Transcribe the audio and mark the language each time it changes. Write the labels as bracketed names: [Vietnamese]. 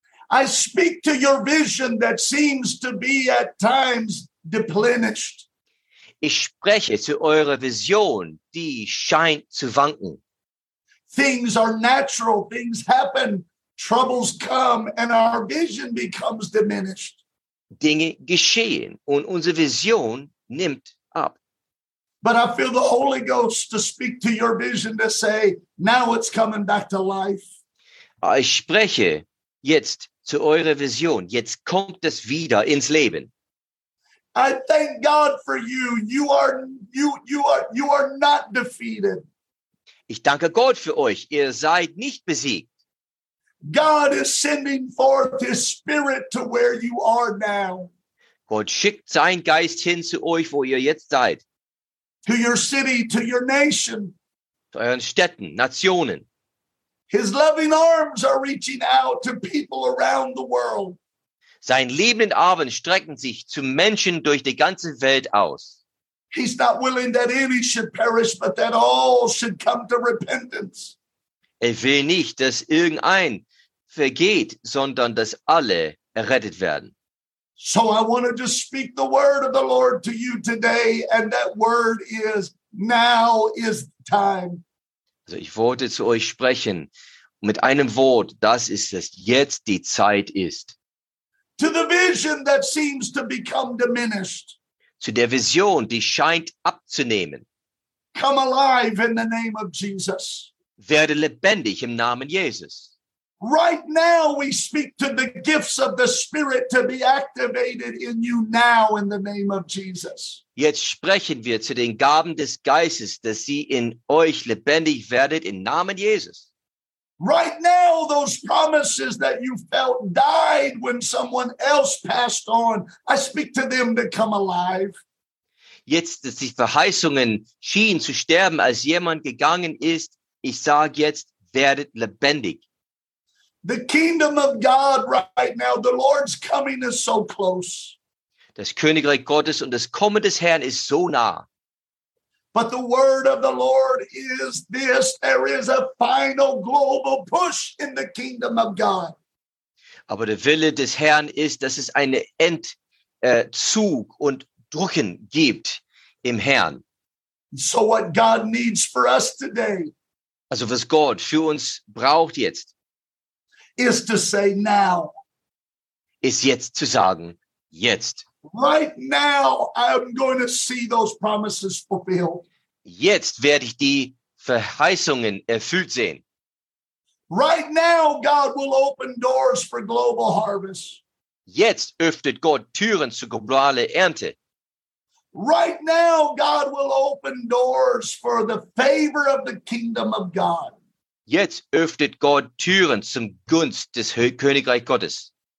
[English] I speak to your vision that seems to be at times depleted. [German] Ich spreche zu eurer Vision, die scheint zu wanken. [English] Things are natural, things happen. Troubles come and our vision becomes diminished. [German] Dinge geschehen und unsere Vision nimmt ab. [English] But I feel the Holy Ghost to speak to your vision to say, now it's coming back to life. [German] Ich spreche jetzt zu eurer Vision. Jetzt kommt es wieder ins Leben. [English] I thank God for you. You are not defeated. [German] Ich danke Gott für euch. Ihr seid nicht besiegt. [English] God is sending forth his spirit to where you are now. [German] Gott schickt seinen Geist hin zu euch, wo ihr jetzt seid. [English] To your city, to your nation. [German] Zu euren Städten, Nationen. [English] His loving arms are reaching out to people around the world. [German] Sein liebenden Armen strecken sich zu Menschen durch die ganze Welt aus. [English] He's not willing that any should perish, but that all should come to repentance. [German] Er will nicht, dass irgendein vergeht, sondern dass alle errettet werden. [English] So I want to just speak the word of the Lord to you today, and that word is, now is time. [German] Also ich wollte zu euch sprechen, mit einem Wort, das ist es, jetzt die Zeit ist. [English] To the vision that seems to become diminished. [German] Zu der Vision, die scheint abzunehmen. [English] Come alive in the name of Jesus. [German] Werde lebendig im Namen Jesus. [English] Right now we speak to the gifts of the Spirit to be activated in you now in the name of Jesus. [German] Jetzt sprechen wir zu den Gaben des Geistes, dass sie in euch lebendig werdet im Namen Jesus. [English] Right now those promises that you felt died when someone else passed on, I speak to them to come alive. [German] Jetzt, dass die Verheißungen schienen zu sterben, als jemand gegangen ist, ich sage jetzt, werdet lebendig. [English] The kingdom of God right now, the Lord's coming is so close. [German] Das Königreich Gottes und das Kommen des Herrn ist so nah. [English] But the word of the Lord is this, there is a final global push in the kingdom of God. [German] Aber der Wille des Herrn ist, dass es einen Endzug und Drucken gibt im Herrn. [English] So what God needs for us today. [German] Also was Gott für uns braucht jetzt, [English] is to say now. [German] Ist jetzt zu sagen, jetzt. [English] Right now, I'm going to see those promises fulfilled. [German] Jetzt werde ich die Verheißungen erfüllt sehen. [English] Right now, God will open doors for global harvest. [German] Jetzt öffnet Gott Türen zur globalen Ernte. [English] Right now, God will open doors for the favor of the kingdom of God. [German] Jetzt öffnet Gott Türen zum Gunst des Königreich Gottes.